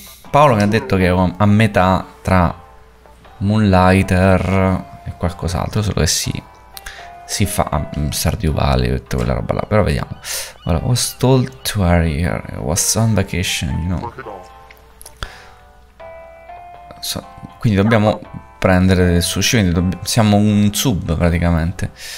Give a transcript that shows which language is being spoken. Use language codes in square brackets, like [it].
[it] Paolo mi ha detto che è a metà tra Moonlighter e qualcos'altro, solo che si fa Stardew Valley e tutta quella roba là, però vediamo. [en] Allora, was told to hurry here, was on vacation, you know. [it] Quindi dobbiamo prendere il sushi, quindi siamo un sub praticamente.